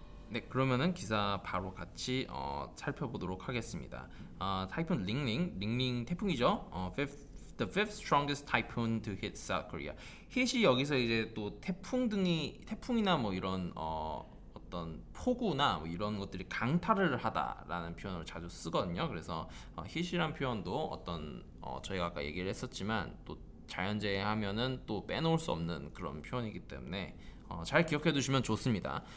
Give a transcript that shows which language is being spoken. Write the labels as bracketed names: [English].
[Korean] 네, 그러면은 기사 바로 같이 살펴보도록 하겠습니다. 타이푼 링링 태풍이죠. [English] The fifth strongest typhoon to hit South Korea. [Korean] Hit이 여기서 이제 또 태풍 등이 태풍이나 뭐 이런 어떤 폭우나 뭐 이런 것들이 강타를 하다라는 표현을 자주 쓰거든요. 그래서 hit이란 표현도 어떤 저희가 아까 얘기를 했었지만 또 자연재해하면은 또 빼놓을 수 없는 그런 표현이기 때문에 잘 기억해 두시면 좋습니다.